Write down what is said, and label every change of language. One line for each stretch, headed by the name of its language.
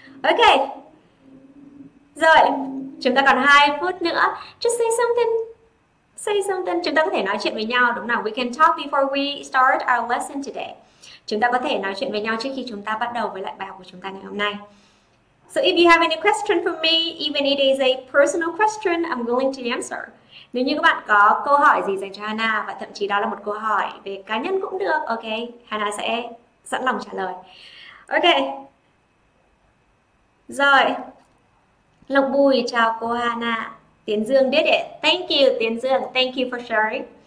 Vietnamese: Ok, rồi chúng ta còn 2 phút nữa.
English: Just say something. Say something.
Vietnamese: Chúng ta có thể nói chuyện với nhau, đúng nào?
English: We can talk before we start our lesson today.
Vietnamese: Chúng ta có thể nói chuyện với nhau trước khi chúng ta bắt đầu với lại bài học của chúng ta ngày hôm nay.
English: So if you have any question for me, even it is a personal question, I'm willing to answer.
Vietnamese: Nếu như các bạn có câu hỏi gì dành cho Hana, và thậm chí đó là một câu hỏi về cá nhân cũng được, ok, Hana sẽ sẵn lòng trả lời. Ok. Rồi. Lộc Bùi, chào cô Hana. Tiến Dương,
English: did it. Thank you, Tiến Dương. Thank you for sharing.